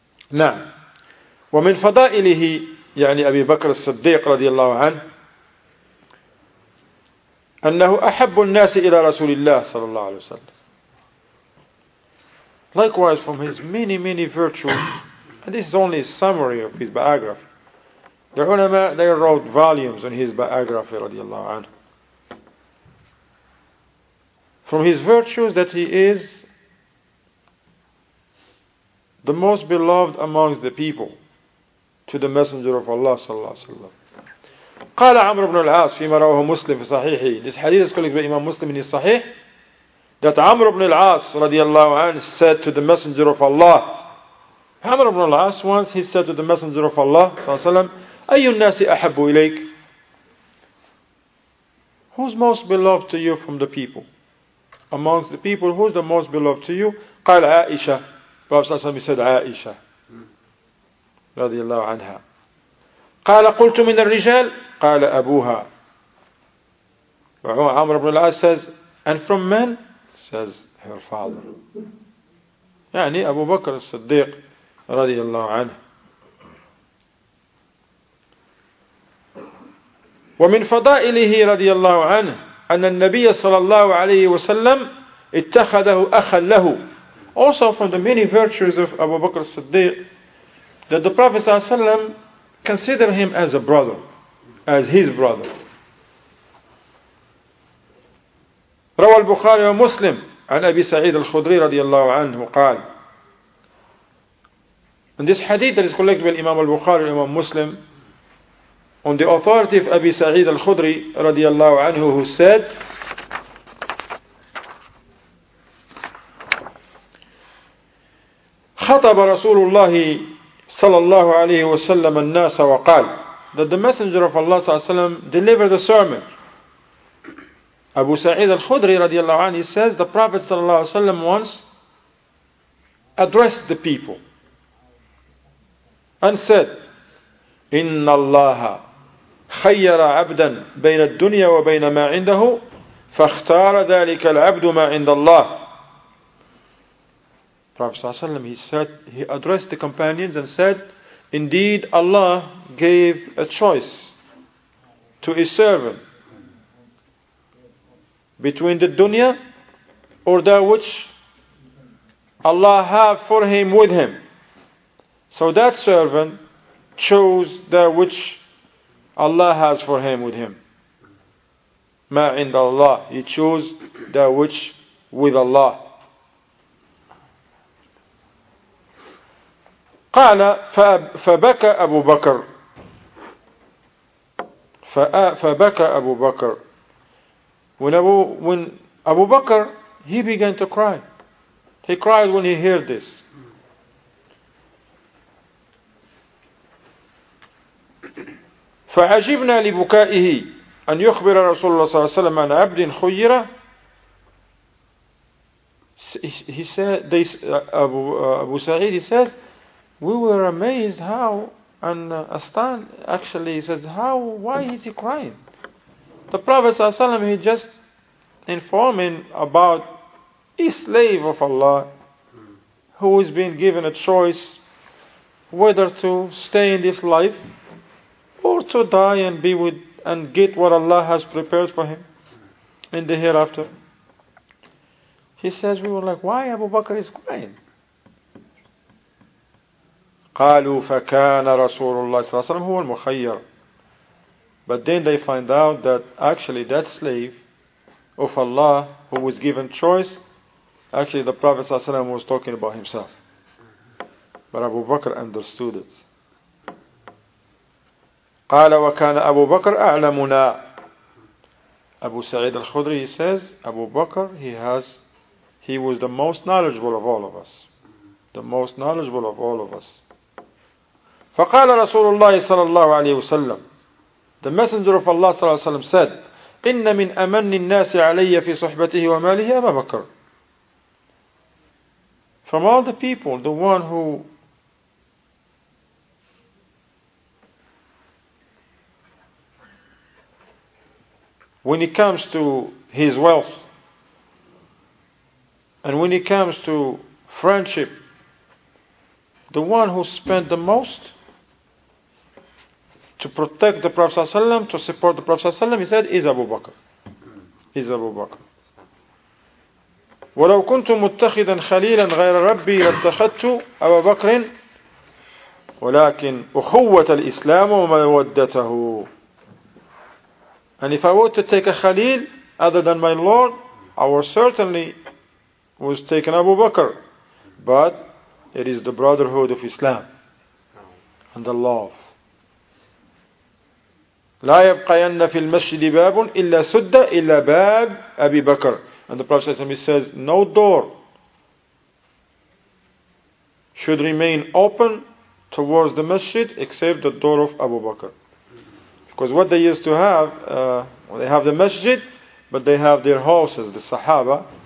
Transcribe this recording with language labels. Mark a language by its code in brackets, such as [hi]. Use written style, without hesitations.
[ar] Now, وَمِنْ فَضَائِلِهِ يعني أبي بكر الصديق رضي الله عنه أنه أحب الناس إلى رسول الله صلى الله عليه وسلم. [en] Likewise, from his many, many virtues, and this is only a summary of his biography. The ulama, they wrote volumes on his biography, radiallahu anhu. From his virtues, that he is the most beloved amongst the people to the Messenger of Allah, sallallahu alayhi wa sallam. [ar] Qala Amr ibn al-As, fima rawahu Muslim fi sahihi. [en] This hadith is collected by Imam Muslim in his sahih, that Amr ibn al-As, radiallahu anhu, said to the Messenger of Allah. Amr ibn al-As, once he said to the Messenger of Allah, sallallahu alayhi wa sallam, [ar] أي الناس أحب إليك? [en] Who's most beloved to you from the people? Amongst the people, who's the most beloved to you? [ar] قال عائشة. [en] Prophet صلى الله عليه وسلم said عائشة. [ar] رضي الله عنها. قال قلت من الرجال. قال أبوها. [en] عمر بن العاص says, and from men? Says her father. [ar] يعني أبو بكر الصديق رضي الله عنه. ومن فضائله رضي الله عنه أن النبي صلى الله عليه وسلم اتخذه أخا له. [en] Also from the many virtues of Abu Bakr al-Siddiq, that the Prophet صلى الله عليه وسلم considered him as a brother, as his brother. [ar] روى البخاري ومسلم عن أبي سعيد الخدري رضي الله عنه قال. [en] And this hadith that is collected by Imam al-Bukhari and Imam Muslim, on the authority of Abi Sa'id al-Khudri radiallahu anhu, who said, [ar] خَطَبَ رَسُولُ اللَّهِ صَلَى اللَّهُ عَلَيْهِ وَسَلَّمَ النَّاسَ وَقَالْ, [en] that the Messenger of Allah صلى الله عليه وسلم delivered a sermon. Abu Sa'id al-Khudri radiallahu anhu, he says, the Prophet صلى الله عليه وسلم once addressed the people and said, [ar] إِنَّ اللَّهَ خير عبدا بين الدنيا وبين ما عنده فاختار ذلك العبد ما عند الله. [en] Prophet صلى الله عليه وسلم, he addressed the companions and said, indeed Allah gave a choice to his servant between the dunya or that which Allah have for him with him. So that servant chose that which Allah has for him with him. [ar] Ma'inda Allah. [en] He chose that which with Allah. [ar] قال فبكى أبو بكر فبكى أبو بكر. [en] When Abu Bakr, he began to cry. He cried when he heard this. [ar] فعجبنا لبكائه أن يخبر رسول الله صلى الله عليه وسلم عن عبد خير. [en] He said, this, Abu Sa'id, he says, we were amazed how, and Astan actually says, how, why is he crying? The Prophet ﷺ, he just informing about a slave of Allah who is being given a choice whether to stay in this life or to die and be with and get what Allah has prepared for him in the hereafter. He says, we were like, why Abu Bakr is crying? [ar] قالوا فكان رسول الله صلى الله عليه وسلم هو المخير. [en] But then they find out that actually that slave of Allah who was given choice, actually the Prophet صلى الله عليه وسلم was talking about himself. But Abu Bakr understood it. [ar] قال وكان أبو بكر أعلمنا. [en] Abu Sa'id al-Khudri, he says, Abu Bakr, he was the most knowledgeable of all of us. The most knowledgeable of all of us. [ar] فقال رسول الله صلى الله عليه وسلم, [en] the messenger of Allah صلى الله عليه وسلم said, [ar] إن من أمن الناس علي في صحبته وماله أبا بكر. [en] From all the people, the one who when it comes to his wealth and when it comes to friendship, the one who spent the most to protect the Prophet ﷺ, to support the Prophet ﷺ, he said, is Abu Bakr. Is Abu Bakr. [ar] وَلَوْ كُنْتُ مُتَّخِذًا خَلِيلًا غَيْرَ رَبِّي لَاتَّخَذْتُ أَبَا بَكْرٍ وَلَكِنْ أُخُوَّةَ الْإِسْلَامُ وَمَوَدَّتَهُ. [en] And if I were to take a Khalil other than my Lord, I would certainly was taken Abu Bakr. But it is the brotherhood of Islam and the love. [ar] لا يبقين في المسجد باب إلا سد إلا باب أبي بكر. [en] And the Prophet says, no door should remain open towards the masjid except the door of Abu Bakr. Because what they used to have, they have the masjid, but they have their houses, the Sahaba.